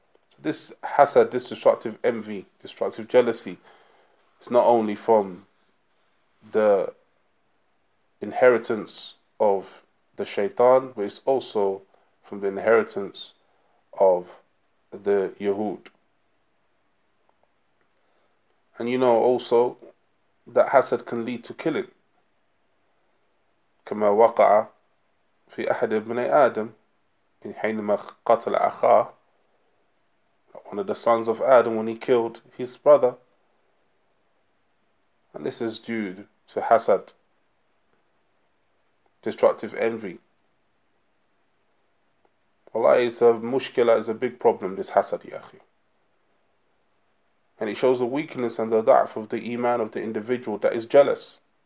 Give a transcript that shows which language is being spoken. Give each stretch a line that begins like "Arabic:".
English: So this hasad, this destructive envy, destructive jealousy, is not only from the inheritance of the shaitan, but it's also from the inheritance of the Yahud. And you know also that hasad can lead to killing.
Arabic: كما وقع في أحد ابن آدم حينما قتل أخاه,
English: one of the sons of Adam, when he killed his brother. And this is due to hasad, destructive envy. Wallahi, it's a mushkila, is a big problem, this hasad, ya akhi. And it shows the weakness and the da'af of the iman of the individual that is jealous.